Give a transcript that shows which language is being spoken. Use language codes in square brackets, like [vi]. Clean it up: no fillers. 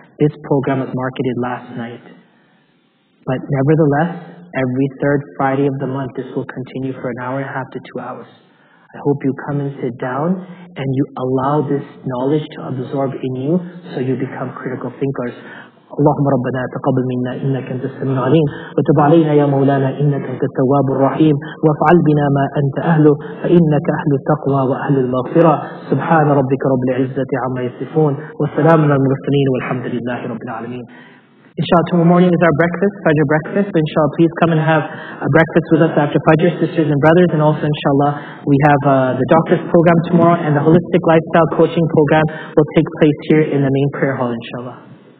[en] This program was marketed last night. But nevertheless, every third Friday of the month, this will continue for an hour and a half to 2 hours. I hope you come and sit down and you allow this knowledge to absorb in you so you become critical thinkers. [ar] اللهم ربنا تقبل منا إنك أنت السميع العليم وتب علينا يا مولانا إنك أنت التواب الرحيم وافعل بنا ما أنت أهله فإنك أهل التقوى وأهل المغفرة سبحان ربك رب العزة عما يصفون والسلام على المرسلين والحمد لله رب العالمين. [en] Inshallah, tomorrow morning is our breakfast, Fajr breakfast. Inshallah, please come and have a breakfast with us after Fajr, sisters and brothers. And also, inshallah, we have the doctor's program tomorrow, and the holistic lifestyle coaching program will take place here in the main prayer hall, inshallah.